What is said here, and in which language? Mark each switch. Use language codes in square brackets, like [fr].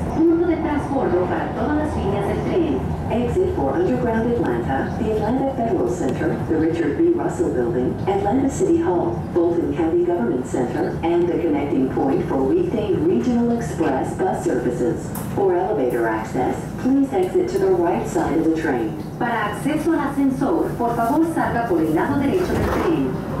[es] Punto de transbordo para todas las líneas del tren. [en] Exit for Underground Atlanta, the Atlanta Federal Center, the Richard B. Russell Building, Atlanta City Hall, Fulton County Government Center, and the connecting point for weekday regional express bus services. For elevator access, please exit to the right side of the train. [es] Para acceso al ascensor, por favor salga por el lado derecho del tren.